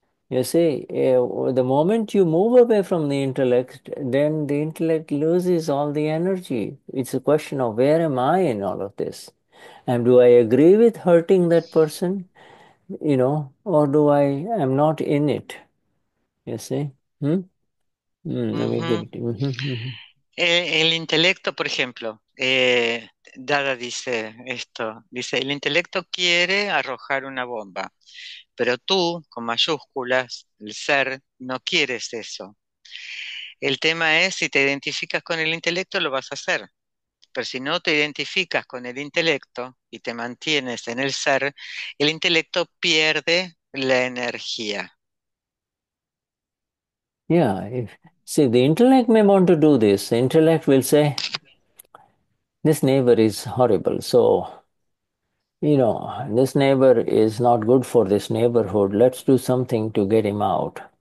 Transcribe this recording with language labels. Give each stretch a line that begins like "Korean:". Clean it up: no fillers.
English: You see, the moment you move away from the intellect, then the intellect loses all the energy. It's a question of where am I in all of this? And do I agree with hurting that person, you know, or do I am not in it? You see?
Spanish: El intelecto, por ejemplo, Dada dice esto, dice, el intelecto quiere arrojar una bomba, pero tú, con mayúsculas, el ser, no quieres eso. El tema es, si te identificas con el intelecto, lo vas a hacer. Pero si no te identificas con el intelecto y te mantienes en el ser, el intelecto pierde la energía.
English: Yeah, see, the intellect may want to do this. The intellect will say, this neighbor is horrible. So, you know, this neighbor is not good for this neighborhood. Let's do something to get him out.